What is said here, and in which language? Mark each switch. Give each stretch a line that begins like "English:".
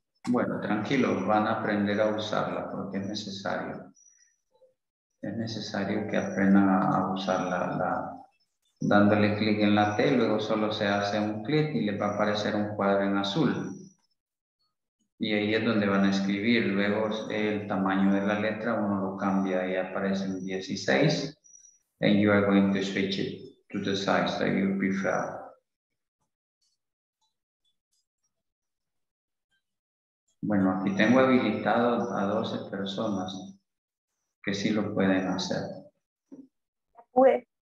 Spanish: Bueno, tranquilo, van a aprender a usarla porque es necesario. Es necesario que aprendan a usar dándole clic en la T, luego solo se hace un clic y le va a aparecer un cuadro en azul. Y ahí es donde van a escribir. Luego el tamaño de la letra, uno lo cambia y aparece en 16.
English: And you are going to switch it to the size that you prefer.
Spanish: Bueno, aquí tengo habilitado a 12 personas que sí lo pueden hacer. Pues.